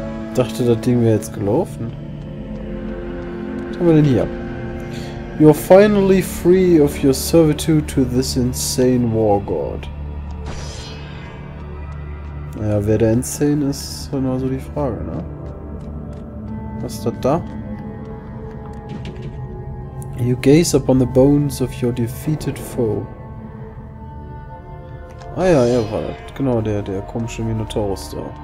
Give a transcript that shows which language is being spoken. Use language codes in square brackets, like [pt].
[de] Ich dachte, das Ding wäre jetzt gelaufen. Was haben wir denn hier? [en] You're finally free of your servitude to this insane war god. [de] Naja, wer der insane ist, ist immer so die Frage, ne? Was ist das da? [en] You gaze upon the bones of your defeated foe. [de] Ah ja, er war das. Genau, der komische Minotaurus da.